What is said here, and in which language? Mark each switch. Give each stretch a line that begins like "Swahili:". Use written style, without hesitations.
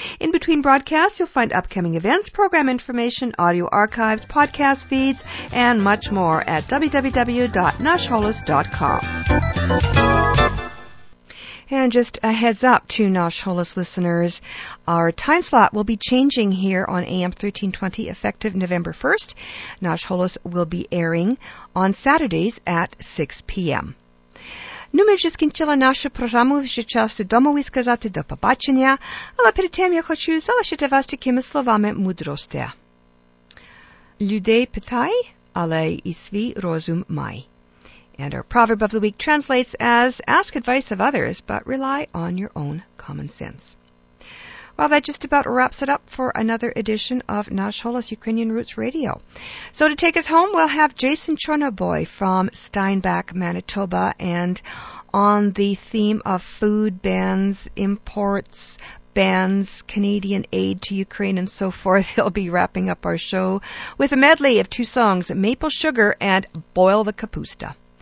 English: In between broadcasts, you'll find upcoming events, program information, audio archives, podcast feeds, and much more at www.nashholos.com. And just a heads up to Nash Holos listeners, our time slot will be changing here on AM 1320 effective November 1st. Nash Holos will be airing on Saturdays at 6 p.m.
Ukrainian: Ну, ми вже скінчили нашу програму, вже час додому сказати до побачення, але перед тим я хочу залишити вас такими словами мудрості. Людей питай, але і свій розум май.
English: And our proverb of the week translates as, ask advice of others, but rely on your own common sense. Well, that just about wraps it up for another edition of Nash Holos Ukrainian Roots Radio. So to take us home, we'll have Jason Chornoboy from Steinbach, Manitoba, and on the theme of food bans, imports, bans, Canadian aid to Ukraine, and so forth, he'll be wrapping up our show with a medley of two songs, Maple Sugar and Boil the Kapusta.